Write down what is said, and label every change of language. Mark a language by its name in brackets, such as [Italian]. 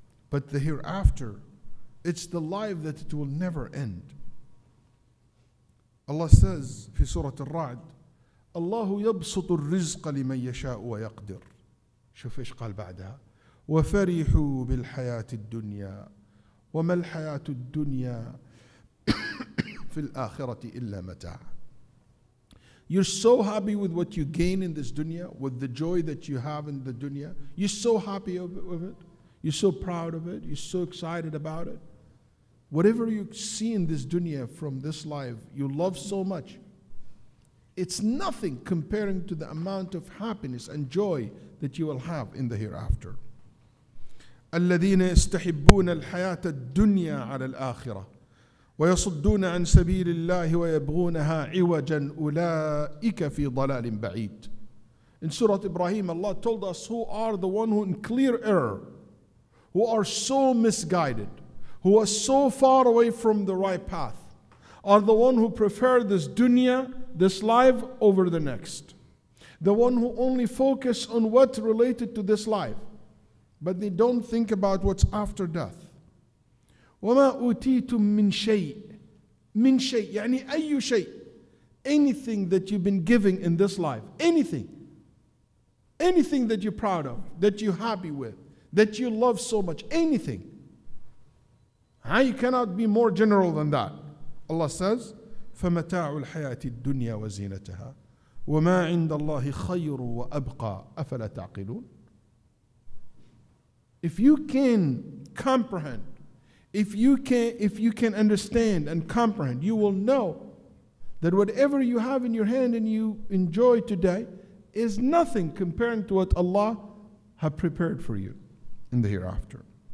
[English] But the hereafter, it's the life that it will never end. Allah says [Arabic] في سورة الرعد, الله يبسط الرزق لمن يشاء ويقدر. شوف إيش قال بعدها, وفرحوا بالحياة الدنيا. وما الحياة الدنيا في الآخرة إلا متاع. [English] You're so happy with what you gain in this dunya, with the joy that you have in the dunya. You're so happy with it. You're so proud of it. You're so excited about it. Whatever you see in this dunya from this life, you love so much. It's nothing comparing to the amount of happiness and joy that you will have in the hereafter. [Arabic] الذين يستحبون الحياة الدنيا على الآخرة ويصدون عن سبيل الله ويبغونها عوجا أولئك في ضلال بعيد. [English] In Surah Ibrahim, Allah told us, who are the one who in clear error, who are so misguided, who was so far away from the right path are the one who prefer this dunya, this life, over the next. The one who only focus on what's related to this life, but they don't think about what's after death. [Arabic] وَمَا أُوتِيتُم مِّن شَيْءٍ مِّن شَيْءٍ يعني أَيُّ شَيْءٍ. [English] Anything that you've been giving in this life, anything. Anything that you're proud of, that you're happy with, that you love so much, anything. How you cannot be more general than that. Allah says, [Arabic] فَمَتَاعُ الْحَيَاةِ الدُّنْيَا وَزِينَتَهَا وَمَا عِنْدَ اللَّهِ خَيْرٌ وَأَبْقَى أَفَلَا تَعْقِلُونَ. [English] If you can comprehend, if you can understand and comprehend, you will know that whatever you have in your hand and you enjoy today is nothing comparing to what Allah have prepared for you in the hereafter.